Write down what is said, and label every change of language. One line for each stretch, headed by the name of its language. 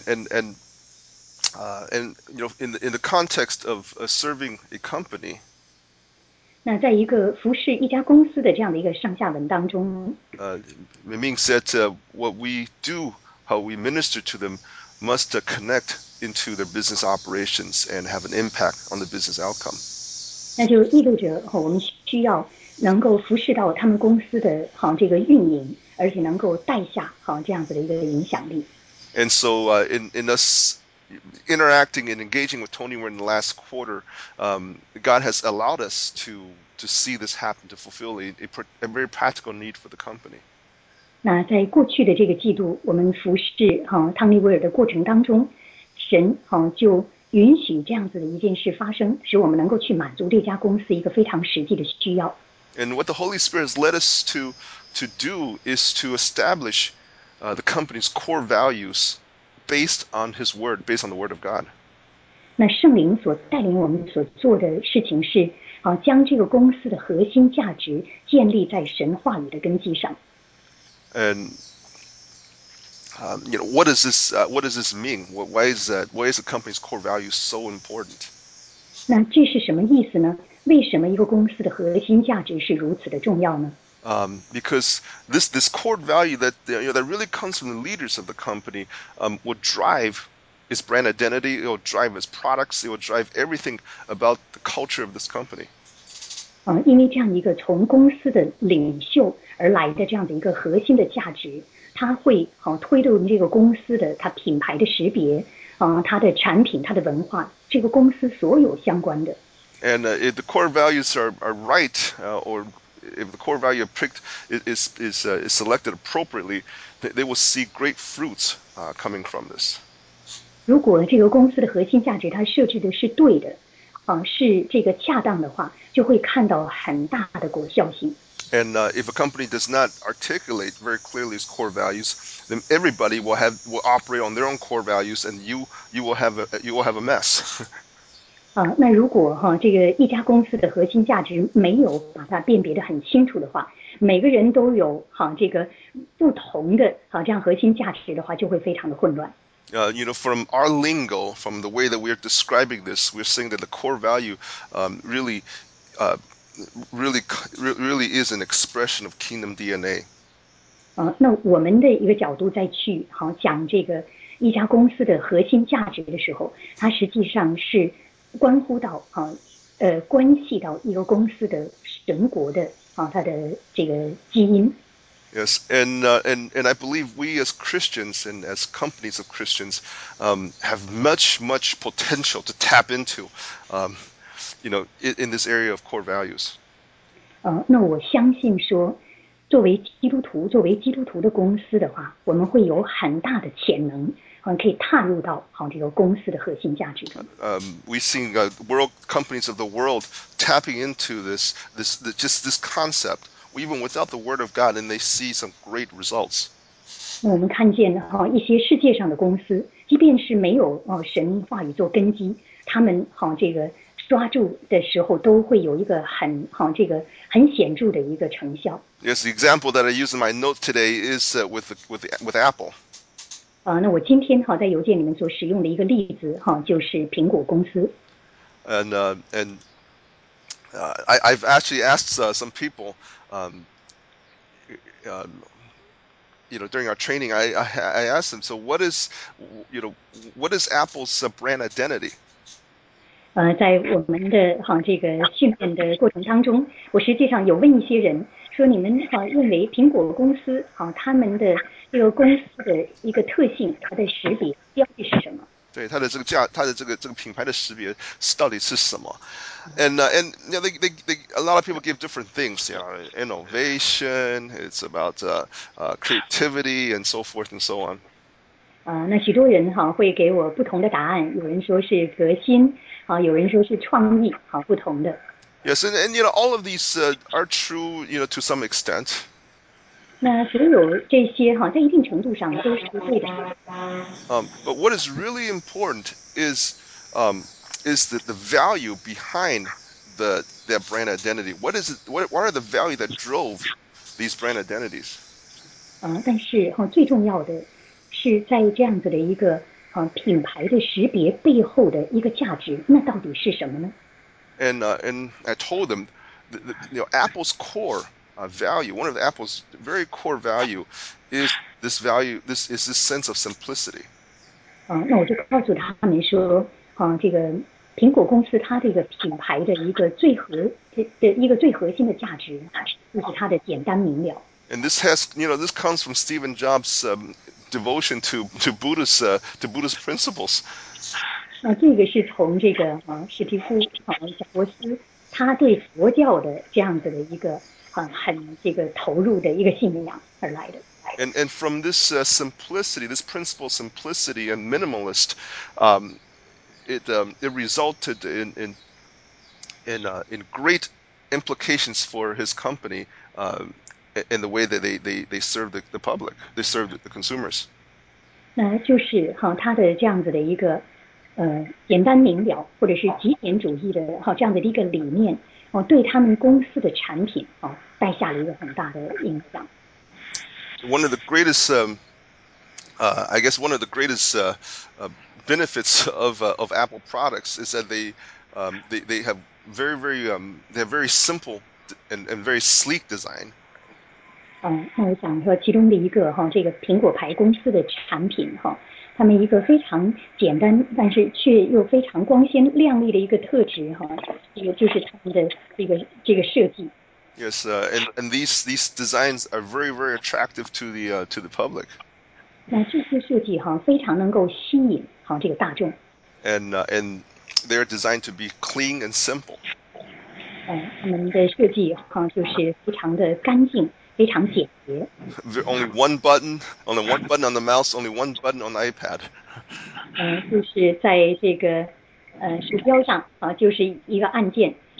English: And you know in the context of serving a company。
Chinese: 那在一个服侍一家公司的这样的一个上下文当中，
English: it means that what we do, how we minister to them, must connect into their business operations and have an impact on the business outcome.
Chinese: 那就意味着我们需要能够服侍到他们公司的这个运营，而且能够带下这样子的一个影响力。
English: And so in us interacting and engaging with Tony in the last quarter, God has allowed us to see this happen, to fulfill a very practical need for the company.
Chinese: 那在过去的这个季度，我们服侍哈汤尼威尔的过程当中，神哈就允许这样子的一件事发生，使我们能够去满足这家公司一个非常实际的需要。
English: And what the Holy Spirit has led us to do is to establish the company's core values based on His Word, based on the Word of God.
Chinese: 那圣灵所带领我们所做的事情是，将这个公司的核心价值建立在神话语的根基上。
English: And you know what does this what does this mean? Why is that? Why is the company's core value so important?
Chinese: 那这是什么意思呢？为什么一个公司的核心价值是如此的重要呢？
English: Because this core value that you know that really comes from the leaders of the company will drive its brand identity. It will drive its products. It will drive everything about the culture of this company.
Chinese: 因为这样一个从公司的领袖而来的这样的一个核心的价值，它会推动这个公司的它品牌的识别它的产品、它的文化，这个公司所有相关的。
English: And if the core values are right, or if the core value picked is selected appropriately, they will see great fruits coming from this.
Chinese: 如果这个公司的核心价值它设置的是对的，是这个恰当的话，就会看到很大的果效性。
English: And if a company does not articulate very clearly its core values, then everybody will operate on their own core values, and you will have a mess.
Chinese: 那如果这个一家公司的核心价值没有把它辨别得很清楚的话，每个人都有这个不同的这样核心价值的话，就会非常的混乱。
English: You know, from our lingo, from the way that we are describing this, we're saying that the core value really is an expression of kingdom DNA.
Chinese: 那我们的一个角度再去讲这个一家公司的核心价值的时候，它实际上是关乎到关系到一个公司的神国的它的这个基因。
English: Yes, and I believe we as Christians and as companies of Christians have much potential to tap into, you know, in this area of core values.
Chinese: 那我相信说，作为基督徒，作为基督徒的公司的话，我们会有很大的潜能，可以踏入到这个公司的核心价值。
English: We've seen world companies of the world tapping into this concept. even without the word of God, and they see some great results.
Chinese: 我们看见哈一些世界上的公司，即便是没有神话语做根基，他们哈这个抓住的时候都会有一个很哈这个很显著的一个成效。
English: Yes, the example that I use in my notes today is with Apple.
Chinese: 那我今天哈在邮件里面所使用的一个例子哈就是苹果公司。
English: And I've actually asked some people, you know, during our training, I asked them, so what is Apple's brand identity?
Chinese: 在我们的哈这个训练的过程当中，我实际上有问一些人说，你们哈认为苹果公司哈他们的这个公司的一个特性，它的识别标志是什么？对它的这个价，它的这个品牌的识别到底是什么 ？
English: And you know, they a lot of people give different things. You know, innovation. It's about creativity and so forth and so on.
Chinese: 那许多人哈会给我不同的答案。有人说是革新，有人说是创意，不同的。
English: Yes, and you know, all of these are true. You know, to some extent.
Chinese: 那所有这些哈，在一定程度上都是对的。
English: But what is really important is the value behind their brand identity. What is it? What are the value that drove these brand identities?
Chinese: 但是哈，最重要的是在这样子的一个品牌的识别背后的一个价值，那到底是什么呢
English: ？And I told them, Apple's core. Value. One of Apple's very core value is this value. This is this sense of simplicity.
Chinese: 那我就告诉他们说，这个苹果公司它这个品牌的一个最核的一个最核心的价值，就是它的简单明了。
English: And this has, you know, this comes from Steven Jobs' devotion to Buddhist principles.
Chinese: 这个是从这个史蒂夫贾伯斯他对佛教的这样子的一个。很这个投入的一个信仰而来的。
English: And from this simplicity, this principle of simplicity and minimalist, it resulted in great implications for his company, in the way that they serve the public, they serve the consumers.
Chinese: 那就是哈，他的这样子的一个简单明了，或者是极简主义的哈这样的一个理念，对他们公司的产品带下了一个很大的影响。
English: One of the greatest, I guess one of the greatest benefits of Apple products is that they have very very they have very simple and very sleek design.
Chinese: 那我想说其中的一个这个苹果牌公司的产品他们一个非常简单但是却又非常光鲜亮丽的一个特质就是他们的这个设计。
English: Yes, and these designs are very very attractive to the public.
Chinese: 那这些设计哈非常能够吸引哈这个大众。
English: And they are designed to be clean and simple.
Chinese: 他们的设计哈就是非常的干净，非常简洁。
English: Only one button on the mouse, only one button on the iPad.
Chinese: 就是在这个鼠标上就是一个按键。